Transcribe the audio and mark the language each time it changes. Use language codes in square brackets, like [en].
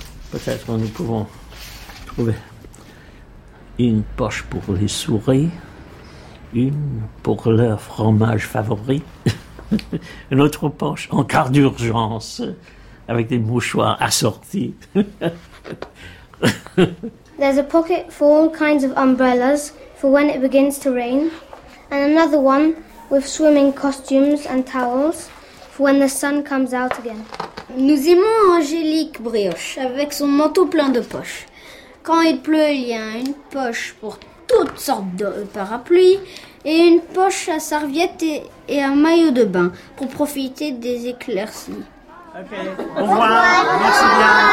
[fr] Peut-être que nous pouvons trouver une poche pour les souris, une pour leur fromage favori, une autre poche en cas d'urgence, avec des mouchoirs assortis. [en] There's a pocket for all kinds of umbrellas, for when it begins to rain, and another one with swimming costumes and towels, for when the sun comes out again. [fr] Nous aimons Angélique Brioche, avec son manteau plein de poches. Quand il pleut, il y a une poche pour toutes sortes de parapluies, et une poche à serviettes et un maillot de bain, pour profiter des éclaircies. Ok, au revoir, merci bien.